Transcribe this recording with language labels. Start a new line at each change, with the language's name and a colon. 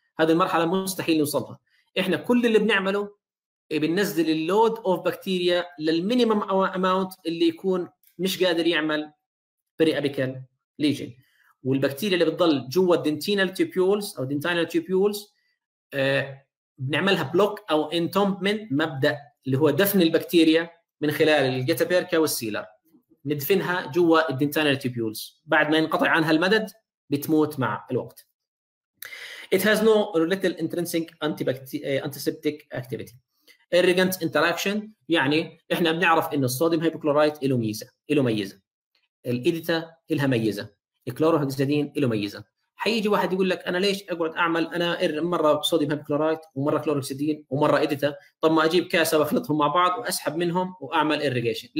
Arabic: هذه المرحله مستحيل نوصلها. احنا كل اللي بنعمله بننزل اللود اوف بكتيريا للمينيمم اماونت اللي يكون مش قادر يعمل بري ابيكال ليجن، والبكتيريا اللي بتضل جوا الدنتينال تيوبولز او دنتينال تيوبولز بنعملها بلوك او انتومبمنت، مبدا اللي هو دفن البكتيريا من خلال الجتابيركا والسيلر، ندفنها جوا الدنتينال تيوبولز، بعد ما ينقطع عنها المدد بتموت مع الوقت.
English: It has no little intrinsic antiseptic activity.
Arabic: Irrigant interaction يعني احنا بنعرف ان الصوديوم هيبوكلورايت له ميزه، له ميزه. الايديتا لها ميزه، الكلوروهكسيدين له ميزه. حيجي واحد يقول لك انا ليش اقعد اعمل انا مره صوديوم هيبوكلورايت ومره كلوروكسيدين ومره ايديتا، طب ما اجيب كاسه واخلطهم مع بعض واسحب منهم واعمل ايريجيشن.